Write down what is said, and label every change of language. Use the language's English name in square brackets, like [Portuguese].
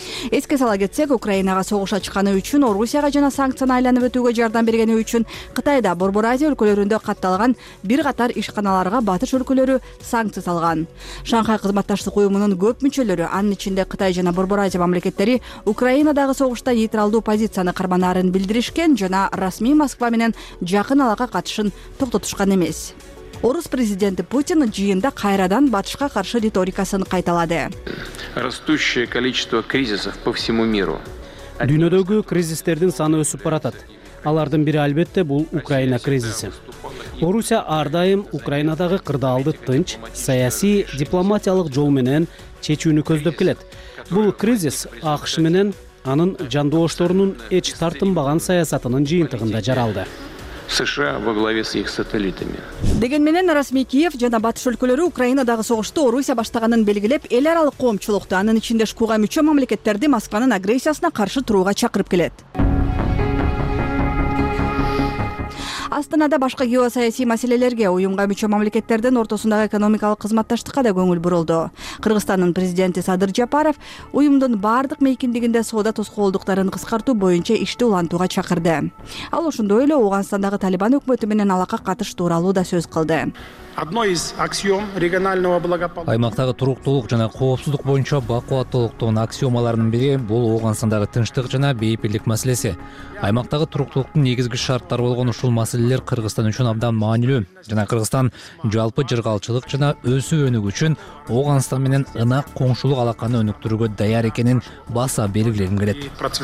[Kyrgyz] Эске сала кетсек, Украинага согуш ачканы үчүн Орусияга жана санкцияны айланып өтүүгө жардам бергени үчүн Кытайда Борбор Азия өлкөлөрүндө катталган бир катар ишканаларга батыш өлкөлөрү санкция салган. Шанхай кызматташтык уюмунун көп мүчөлөрү, анын ичинде Кытай жана Борбор Азия мамлекеттери Украина дагы согушта нейтралдуу позицияны карманарын билдиришкен жана расмий Москва менен жакын алака катышын токтотушкан эмес. Орус президенти Путин жыйында кайрадан батышка каршы риторикасын кайталады. [Russian] Растущее количество кризисов по всему миру. [Kyrgyz] Дүйнөдөгү кризистердин саны өсүп баратат. Алардын бири албетте бул Украина кризиси. Орусия ар дайым Украинадагы кырдаалды тынч, саясий, дипломатиялык жол менен чечүүнү көздөп келет. Бул кризис АКШ менен анын жандоошторунун эч тартынбаган саясатынын жыйынтыгында жаралды. [Russian] США во главе с их сателлитами. [Kyrgyz] Деген менен расмий Киев жана батыш өлкөлөрү Украинадагы согушту Орусия баштаганын белгилеп, эл аралык коомчулукту, анын ичинде шкуга мүчө мамлекеттерди Москванын агрессиясына каршы турууга чакырып келет. Астанада башка геосаясий маселелерге, уюмга мүчө мамлекеттердин ортосундагы экономикалык кызматташтыкка да көңүл бурулду. Кыргызстандын президенти Садыр Жапаров уюмдун бардык мейкиндигинде соода тоскоолдуктарын кыскартуу боюнча ишти улантууга чакырды. Ал ошондой эле Ооганстандагы Талибан өкмөтү менен алака катыш тууралуу да сөз кылды. [Russian] Одной из аксиом регионального благополучия. [Kyrgyz] Аймактагы туруктуулук жана коопсуздук боюнча бакубаттуулуктун аксиомаларынын бири бул Оогандагы тынчтык жана бейпилдик маселеси. Аймактагы туруктуулуктун негизги шарттары болгон ушул маселелер Кыргызстан үчүн абдан маанилүү жана Кыргызстан жалпы жыргалчылык жана өсүп өнүгүү үчүн Ооганстан менен ынак коңшулук алаканы өнүктүрүүгө даяр экенин баса белгилегим келет.